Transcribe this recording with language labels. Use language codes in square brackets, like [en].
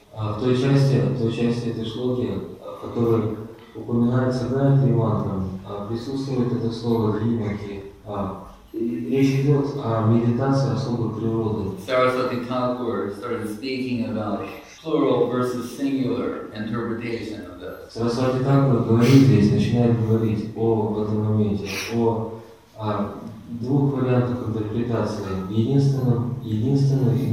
[ru] В той части этой шлоки, в которой упоминается Гаятри Мантра, присутствует это слово Дхимахи. Речь идет о медитации особой природы. [en] Сарасвати Тхакур started speaking about plural versus singular interpretation of this. [ru] Сарасвати Тхакур говорит здесь, начинает говорить о в этом моменте, о двух вариантах интерпретации, единственном и